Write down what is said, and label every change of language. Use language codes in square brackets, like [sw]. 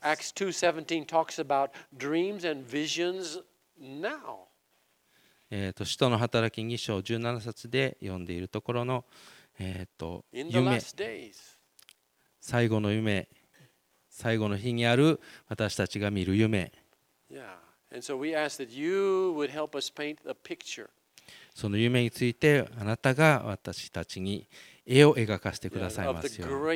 [en] Acts 2:17 talks about dreams and visions now. [ja] 使徒の働き2章17節で読んでいるところの夢、最後の夢、最後の日にある私たちが見る夢。 [en] Yeah. And so we ask that you would help us paint a picture. [ja] その夢についてあなたが私たちに絵を描かせてくださいますよ。